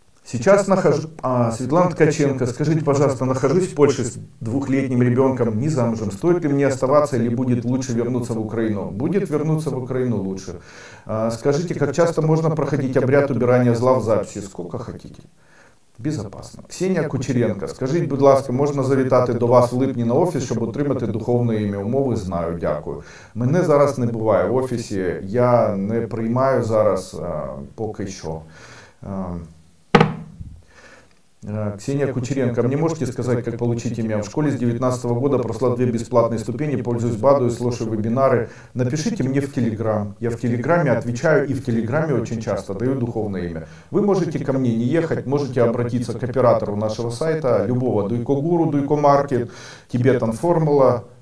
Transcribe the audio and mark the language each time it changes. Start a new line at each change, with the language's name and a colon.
Russian: Сейчас Светлана Ткаченко, скажите, пожалуйста, нахожусь в Польше с 2-летним ребенком, не замужем, стоит ли мне оставаться или будет лучше вернуться в Украину? Будет вернуться в Украину лучше. Скажите, как часто можно проходить обряд убирания зла в записи? Сколько хотите? Безопасно.
Ukrainian: Ксения Кучеренко,
Russian: скажите,
Ukrainian: будь ласка, можно завітати до вас в липні на офіс, щоб отримати духовне ім'я? Умови знаю, дякую. Мене зараз не буває в офісі, я не приймаю зараз поки що.
Russian: Ксения Кучеренко, мне можете сказать, как получить имя? В школе с 19 года прошла 2 бесплатные ступени, пользуюсь БАДу и слушаю вебинары. Напишите мне в Телеграм. Я в Телеграме отвечаю и в Телеграме очень часто даю духовное имя. Вы можете ко мне не ехать, можете обратиться к оператору нашего сайта, любого Дуйко Гуру, Дуйко Маркет, Тибетан Формула.